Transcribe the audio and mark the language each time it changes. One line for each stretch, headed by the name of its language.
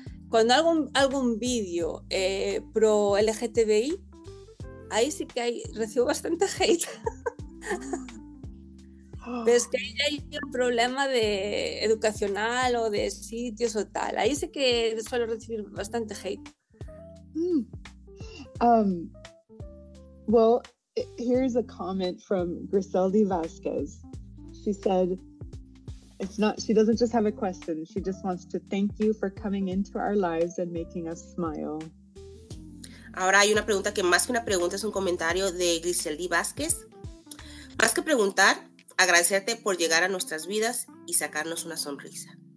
Spanish: Cuando hago algún vídeo pro LGTBI, ahí sí que recibo bastante hate. Pero es que ahí hay un problema de educacional o de sitios o tal. Ahí sí que suelo recibir bastante hate.
English: Well, here's a comment from Griseldi Vasquez. She said, she doesn't just have a question. She just wants to thank you for coming into our lives and making us smile.
Spanish: Ahora hay una pregunta que más que una pregunta es un comentario de Griseldi Vázquez. Más que preguntar, agradecerte por llegar a nuestras vidas y sacarnos una sonrisa.